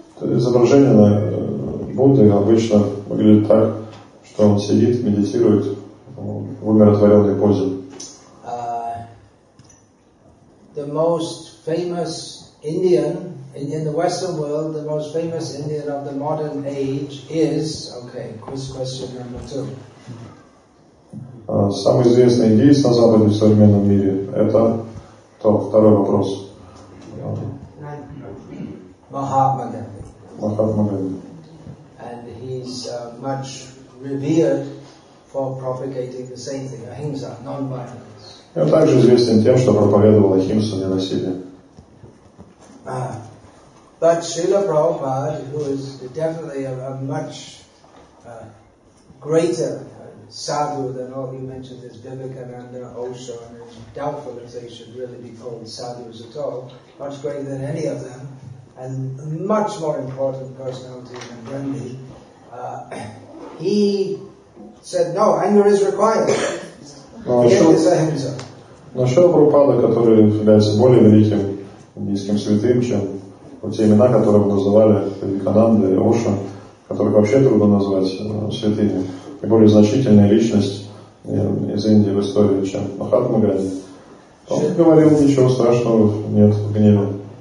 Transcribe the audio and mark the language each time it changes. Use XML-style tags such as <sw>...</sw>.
<ru>Изображение на Будды обычно выглядит так, что он сидит, медитирует в умиротворенной позе.</ru> <en>The most famous Indian in the Western world, the most famous Indian of the modern age is, okay, quiz question number 2.</en> <ru>Самый известный индийец на Западе в современном мире – это то, второй вопрос. Махатма Ганди. Махатма Ганди.</ru> <en>And he's much revered for propagating the same thing, ахимса, non-violence.</en> <ru>И он также известен тем, что проповедовал ахимсу, ненасилие.</ru> <en>But Srila Prabhupada, who is definitely a much greater sadhu than all he mentioned, is Vivekananda, Osho, and it's doubtful if they should really be called sadhus at all, much greater than any of them, and a much more important personality than Gandhi. He said, no, anger is required.</en> <ru>Но Шрила Прабхупада, который является более великим индийским святым, чем вот те имена, которые называли Вивекананда и Оша, которых вообще трудно назвать святыми, и более значительная личность из Индии в истории, чем Махатма Ганди, он говорил, ничего страшного нет в гневе,</ru>